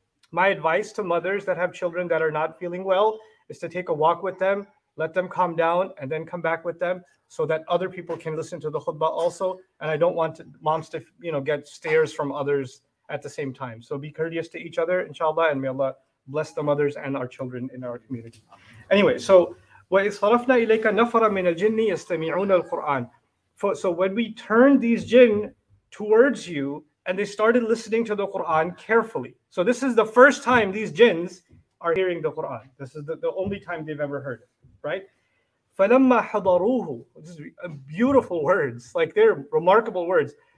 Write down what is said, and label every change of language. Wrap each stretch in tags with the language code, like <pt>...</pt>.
<en>My advice to mothers that have children that are not feeling well is to take a walk with them, let them calm down, and then come back with them, so that other people can listen to the khutbah also. And I don't want moms to, you know, get stares from others at the same time. So be courteous to each other, inshallah, and may Allah bless the mothers and our children in our community. Anyway, so</en> <ar>وَإِذْ صَرَفْنَا إِلَيْكَ نَفَرًا مِنَ الْجِنِّ يَسْتَمِعُونَ الْقُرْآنَ.</ar> <en>So when we turned these jinn towards you, and they started listening to the Qur'an carefully. So this is the first time these jinns are hearing the Qur'an. This is the only time they've ever heard it, right?</en> <ar>فَلَمَّا حَضَرُوهُ.</ar> <en>This is beautiful words, like they're remarkable words.</en>